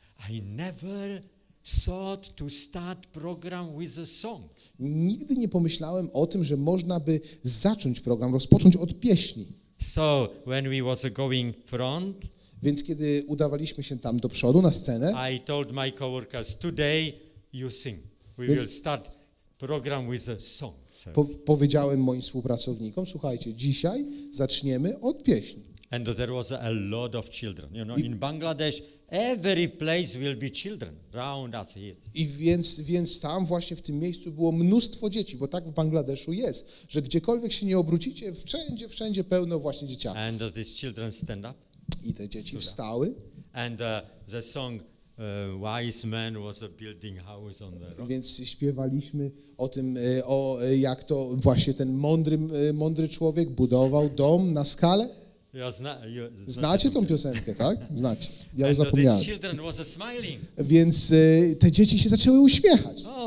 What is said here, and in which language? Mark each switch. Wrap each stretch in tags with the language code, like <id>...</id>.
<en>I never thought to start program with a song.</en> <pl>Nigdy nie pomyślałem o tym, że można by zacząć program, rozpocząć od pieśni.</pl> <en>So when we was going front,</en> <pl>więc kiedy udawaliśmy się tam do przodu na scenę,</pl> <en>I told my coworkers, today you sing. We will start program with a song.</en> <pl>Powiedziałem moim współpracownikom, słuchajcie, dzisiaj zaczniemy od pieśni.</pl> <en>And there was a lot of children. You know, in Bangladesh, every place will be children round us here.</en> <pl>I więc tam właśnie w tym miejscu było mnóstwo dzieci, bo tak w Bangladeszu jest, że gdziekolwiek się nie obrócicie, wszędzie pełno właśnie dzieciaków.</pl> <en>And these children stand up.</en> <pl>I te dzieci wstały.</pl> <en>And the song Wise Man was a building house on the rock.</en> <pl>Więc śpiewaliśmy o tym, o jak to właśnie ten mądry człowiek budował dom na skalę. Znacie tą piosenkę, tak? Znacie. Ja ją zapomniałem. Więc te dzieci się zaczęły uśmiechać.</pl>